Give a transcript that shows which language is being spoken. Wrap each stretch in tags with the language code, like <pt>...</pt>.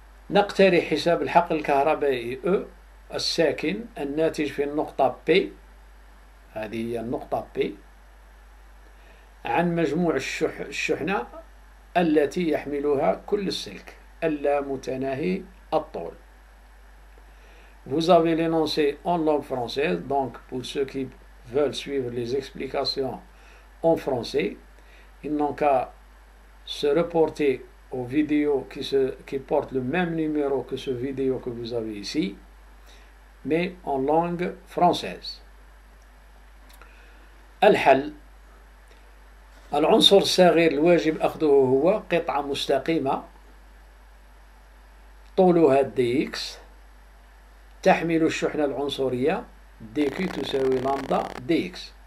<ar>نقترح حساب الحقل الكهربائي E الساكن الناتج في النقطة P، هذه هي النقطة P، عن مجموع الشحنة التي يحملها كل السلك اللامتناهي الطول.</ar> <fr>Vous avez l'énoncé en langue française, donc pour ceux qui veulent suivre les explications en français, ils n'ont qu'à se reporter aux vidéos qui portent le même numéro que ce vidéo que vous avez ici, mais en langue française.</fr> <ar>الحل، العنصر الصغير الواجب أخذه هو قطعة مستقيمة طولها dx تحمل الشحنة العنصرية dq تساوي لامدا dx.</ar>